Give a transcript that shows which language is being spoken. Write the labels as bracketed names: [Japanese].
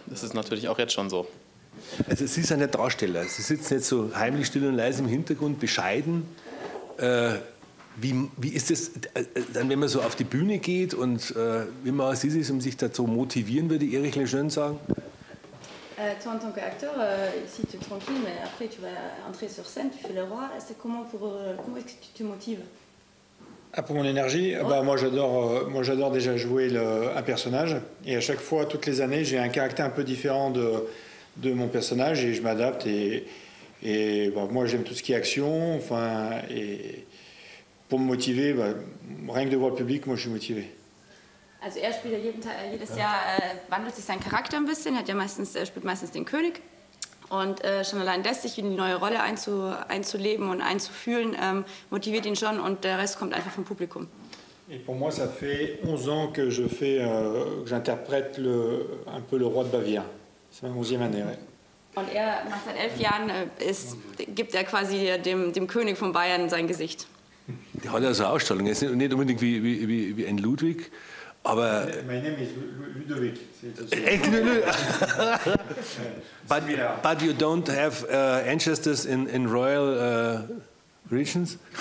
[German] Das ist natürlich auch jetzt schon so. Also Sie sind ja Darsteller. Sie sitzen jetzt so heimlich still und leise im Hintergrund, bescheiden. Wie ist es dann, wenn man so auf die Bühne geht und wie man sieht es, um sich dazu motivieren, würde Erich Lejeune sagen? [French] Toi, en tant qu'acteur, ici tu es tranquille, mais après tu vas entrer sur scène, tu fais le roi. C'est comment pour comment est-ce que tu te motives? Ah, pour mon énergie, oh. Bah, moi j'adore déjà jouer un personnage et à chaque fois, toutes les années, j'ai un caractère un peu différent de mon personnage et je m'adapte et bah, moi j'aime tout ce qui est action, enfin et pour me motiver, bah, rien que de voir le public, moi je suis motivé. [German] Also er spielt ja jedes Jahr, wandelt sich sein Charakter ein bisschen, er spielt meistens den König. Und schon allein das, sich in die neue Rolle einzuleben und einzufühlen, motiviert ihn schon und der Rest kommt einfach vom Publikum. [French] Et pour moi, ça fait 11 ans que je fais, que j'interprète un peu le roi de Bavière. C'est ma 11e année, ouais. [German] Und er macht seit 11 Jahren, gibt er quasi dem König von Bayern sein Gesicht. Der hat ja so eine Ausstrahlung, er ist nicht unbedingt wie ein Ludwig, aber... Mein Name ist Ludovic. Echt Ludovic? [English] But you don't have ancestors in royal regions?